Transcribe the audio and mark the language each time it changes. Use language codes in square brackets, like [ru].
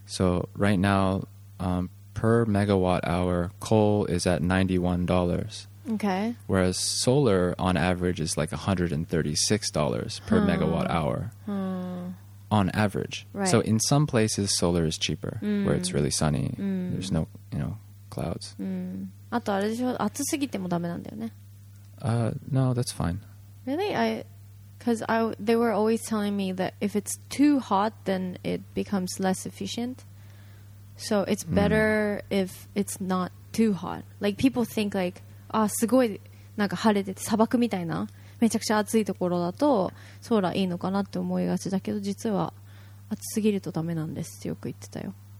[en] So right now, per megawatt hour, coal is at $91. Okay. Whereas solar, on average, is like $136 per megawatt hour. On average. Right. So in some places, solar is cheaper, where it's really sunny. Mm. There's no, you know, clouds. [ja] あとあれでしょ、暑すぎてもダメなんだよね。 [en] No, that's fine. Really? Because they were always telling me that if it's too hot, then it becomes less efficient. So it's better if it's not too hot. Like people think like, [ja] すごいなんか晴れてて砂漠みたいな。めちゃくちゃ暑いところだとソーラーいいのかなって思いがちだけど実は暑すぎるとダメなんですってよく言ってたよ。